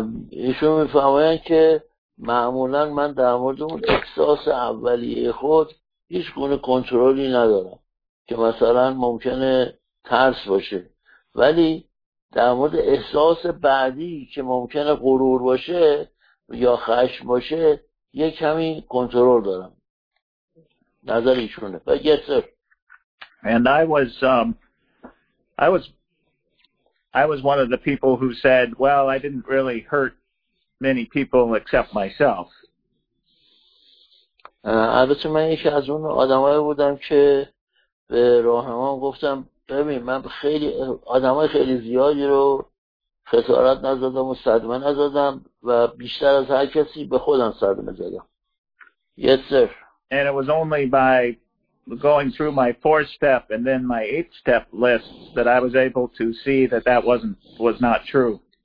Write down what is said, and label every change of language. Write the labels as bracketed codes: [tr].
[fa] ایشون میفهمن که معمولا من در مورد احساس اولیه خود هیچ گونه کنترلی ندارم. که مثلا ممکنه ترس باشه، ولی در مورد احساس بعدی که ممکنه غرور باشه یا خشم باشه یه کمی کنترل دارم. نظر ایشونه. [en] Yes, sir. And I was one of the people who said, well, I didn't really hurt many people except myself. [fa] البته من یکی از اون آدمایی بودم که به راهنمام گفتم ببین من خیلی آدمای خیلی زیادی رو خسارت نزدم و صدمه نزدم و بیشتر از هر کسی به خودم صدمه زدم. [en] Yes sir. And it was only by going through my 4-step and then my 8-step list that I was able to see that was not true.